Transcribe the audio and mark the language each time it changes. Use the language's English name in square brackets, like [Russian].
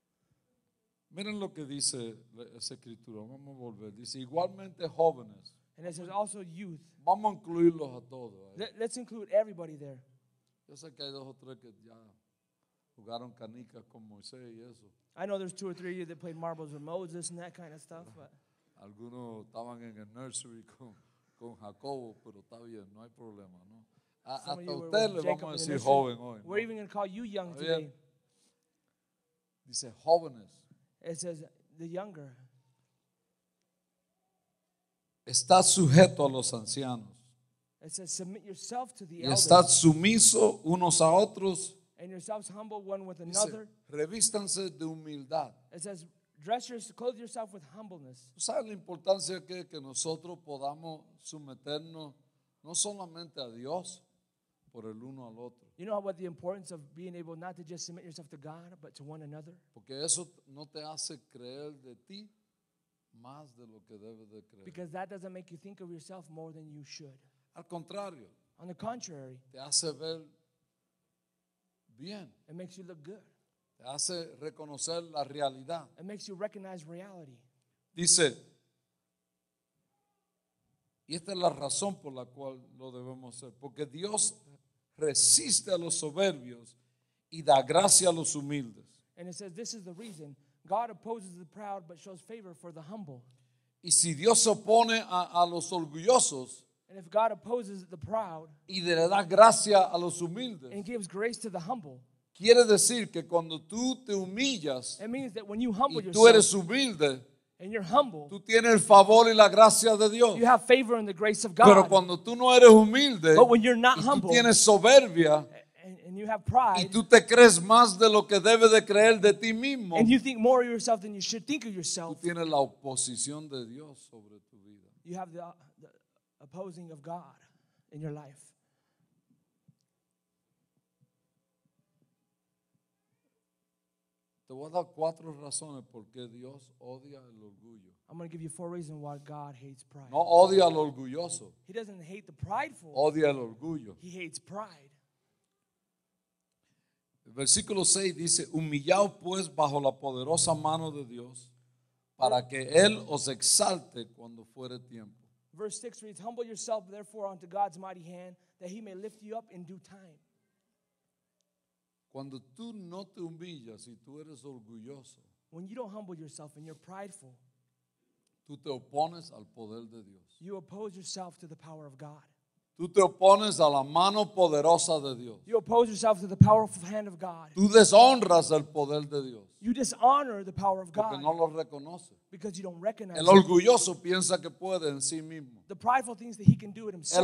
[Spanish] ¿No? Miren lo que dice esa escritura, vamos a volver. Dice, igualmente jóvenes. [English] And it says also youth. [Spanish] Vamos a incluirlos a todos. [English] Let's include everybody there. [Spanish] Yo sé que hay dos o tres que ya jugaron canicas con Moisés y eso. [English] I know there's two or three of you that played marbles with Moses and that kind of stuff. [Spanish] Algunos estaban en el nursery con Jacobo, pero está bien, no hay problema, ¿no? Hasta usted le vamos a decir joven hoy. [English] We're even going to call you young today. [Spanish] Dice jóvenes. [English] It says the younger. [Spanish] Está sujeto a los ancianos. [English] It says, submit yourself to the [Spanish] y está sumiso unos a otros. [English] And yourselves humble one with another. [Spanish] Dice, revístanse de humildad. [English] It says, clothe yourself with humbleness. [Spanish] ¿Sabes la importancia que es que nosotros podamos someternos no solamente a Dios, por el uno al otro? [English] You know what the importance of being able not to just submit yourself to God, but to one another? [Spanish] Porque eso no te hace creer de ti. Más de lo que debes de creer. [English] Because that doesn't make you think of yourself more than you should. [Spanish] Al contrario. [English] On the contrary. [Spanish] Te hace ver bien. [English] It makes you look good. [Spanish] Te hace reconocer la realidad. [English] It makes you recognize reality. [Spanish] Dice, y esta es la razón por la cual lo debemos hacer. Porque Dios resiste a los soberbios y da gracia a los humildes. [English] And it says this is the reason. God opposes the proud, but shows favor for the humble. [Spanish] Y si Dios se opone a los orgullosos, [English] and if God opposes the proud, [Spanish] y le da gracia a los humildes, [English] and gives grace to the humble, [Spanish] quiere decir que cuando tú te humillas, [English] it means that when you humble [Spanish] y tú [English] yourself, [Spanish] eres humilde, [English] and you're humble, [Spanish] tú tienes el favor y la gracia de Dios. [English] You have favor and the grace of God. [Spanish] Pero cuando tú no eres humilde, [English] but when you're not [Spanish] y [English] humble, [Spanish] tú tienes soberbia, [English] and you have pride, [Spanish] y tú te crees más de lo que debe de creer de ti mismo, [English] and you think more of yourself than you should think of yourself, [Spanish] tú tienes la oposición de Dios sobre tu vida. [English] You have the opposing of God in your life. [Spanish] Te voy a dar cuatro razones por qué Dios odia el orgullo. [English] I'm going to give you four reasons why God hates pride. [Spanish] No odia al orgulloso. [English] He doesn't hate the prideful. [Spanish] Odia el orgullo. [English] He hates pride. [Spanish] Versículo 6 dice, humillaos pues bajo la poderosa mano de Dios para que Él os exalte cuando fuere tiempo. [English] Verse 6 reads, humble yourself therefore unto God's mighty hand that He may lift you up in due time. [Spanish] Cuando tú no te humillas y tú eres orgulloso, [English] When you don't humble yourself and you're prideful, [Spanish] tú te opones al poder de Dios. [English] You oppose yourself to the power of God. [Spanish] Tú te opones a la mano poderosa de Dios. [English] You oppose yourself to the powerful hand of God. [Spanish] Tú deshonras el poder de Dios. [English] You dishonor the power of God. [Spanish] Porque no lo reconoces. [English] Because you don't recognize [Spanish] el orgulloso [English] him. [Spanish] Piensa que puede en sí mismo. [English] The prideful thinks that he can do it himself.